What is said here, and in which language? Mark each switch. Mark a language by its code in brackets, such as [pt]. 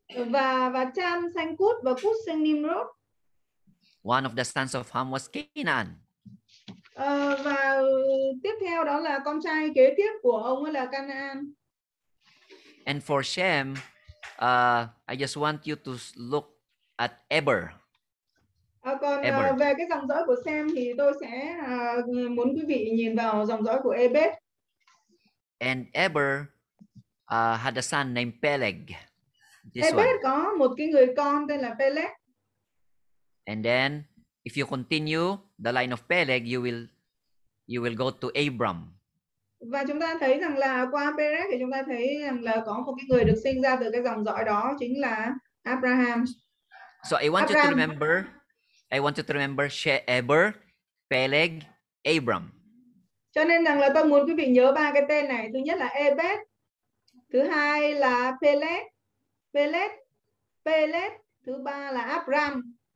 [vi] Và Cham sanh Cút và Cút sanh Nimrod. [en] One of the sons of Ham was Canaan. [vi] Và tiếp theo đó là con trai kế tiếp của ông là Canaan. [en] And for Shem, I just want you to look at Eber. [vi] Về cái dòng dõi của Shem thì tôi sẽ muốn quý vị nhìn vào dòng dõi của Eber. [en] And Eber had a son named Peleg. [vi] Eber có một cái người con tên là Peleg. [en] And then, if you continue the line of Peleg, you will go to Abram. [vi] Và chúng ta thấy rằng là qua Peleg thì chúng ta thấy rằng là có một cái người được sinh ra từ cái dòng dõi đó, chính là Abraham. [en] So I want Abraham. I want you to remember Eber, Peleg, Abram. [vi] Cho nên rằng là tôi muốn quý vị nhớ ba cái tên này. Thứ nhất là Eber, thứ hai là Peleg, thứ ba là Abraham.